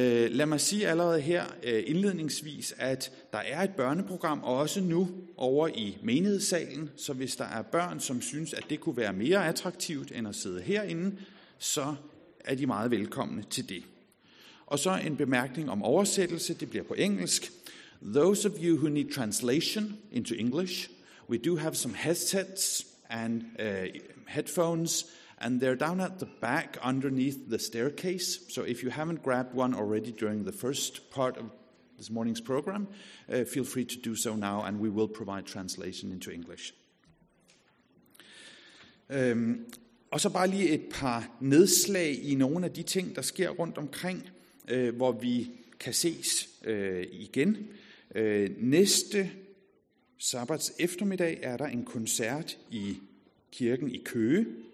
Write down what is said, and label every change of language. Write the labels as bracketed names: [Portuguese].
[Danish] Lad mig sige allerede her indledningsvis, at der er et børneprogram også nu over i menighedssalen, så hvis der er børn, som synes, at det kunne være mere attraktivt end at sidde herinde, så er de meget velkomne til det. Og så en bemærkning om oversættelse, det bliver på engelsk. [English] Those of you who need translation into English, we do have some headsets and headphones, and they're down at the back underneath the staircase. So if you haven't grabbed one already during the first part of this morning's program, feel free to do so now, and we will provide translation into English. [Danish] Og så bare lige et par nedslag i nogle af de ting, der sker rundt omkring, hvor vi kan ses igen. Næste sabbats eftermiddag er der en koncert i kirken i Køge.